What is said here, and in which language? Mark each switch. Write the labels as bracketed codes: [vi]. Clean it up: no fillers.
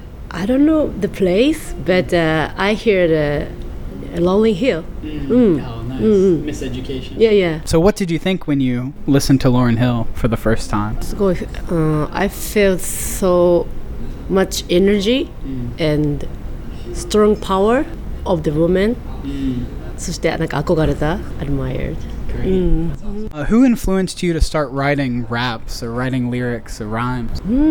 [en] I don't know the place, but I heard Lonely Hill. Mm. Mm. Oh, nice. Mm-hmm. Miseducation. Yeah, yeah. So what did you think when you listened to Lauryn Hill for the first time? I felt so much energy and strong power of the woman. [ja] そしてなんか憧れた, [en] admired. Mm. Who influenced you to start writing raps or writing lyrics or rhymes?